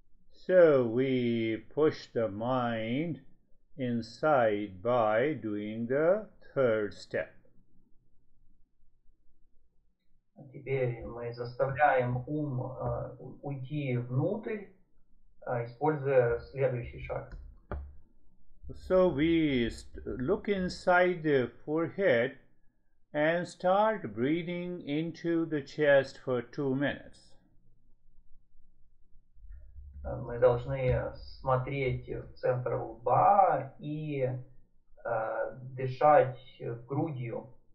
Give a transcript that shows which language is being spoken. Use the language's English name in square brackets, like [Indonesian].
[English] So we push the mind inside by doing the third step. [Russian] Теперь мы заставляем ум уйти внутрь, используя следующий шаг. [English] So we look inside the forehead and start breathing into the chest for 2 minutes. [Russian] Мы должны смотреть в центр лба и дышать грудью.